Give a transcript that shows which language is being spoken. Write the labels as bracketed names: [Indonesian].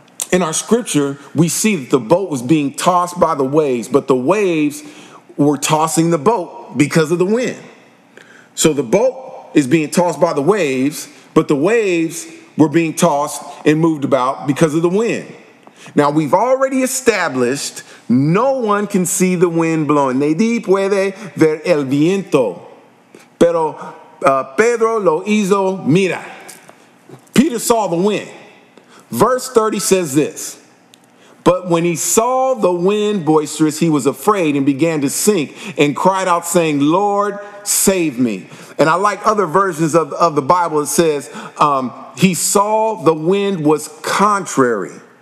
[English] In our scripture, we see that the boat was being tossed by the waves, but the waves were tossing the boat because of the wind. So the boat is being tossed by the waves, but the waves were being tossed and moved about because of the wind. Now, we've already established no one can see the wind blowing. [Spanish] Nadie puede ver el viento, pero Pedro lo hizo, mira. [English] Peter saw the wind. Verse 30 says this, but when he saw the wind boisterous, he was afraid and began to sink and cried out saying, Lord, save me. And I like other versions of the Bible. It says he saw the wind was contrary.